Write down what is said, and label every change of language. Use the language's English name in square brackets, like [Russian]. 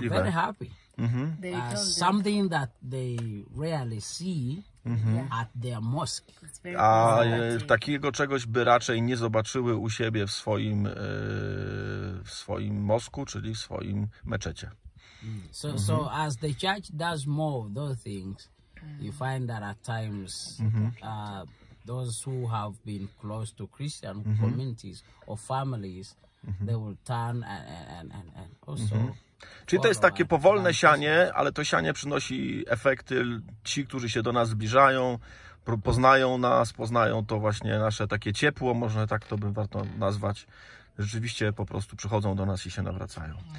[English] They were very happy. Mm-hmm. Something that they rarely see mm-hmm. at their mosque. [Polish] A takiego czegoś by raczej nie zobaczyły u siebie w swoim mosku, czyli w swoim meczecie. [English] So, mm-hmm. so as the church does more of those things, you find that at times those who have been close to Christian mm-hmm. communities or families, mm-hmm. they will turn and also. Mm-hmm. [Polish] Czyli to jest takie powolne sianie, ale to sianie przynosi efekty. Ci, którzy się do nas zbliżają, poznają nas, poznają to właśnie nasze takie ciepło, można tak to bym warto nazwać, rzeczywiście po prostu przychodzą do nas i się nawracają.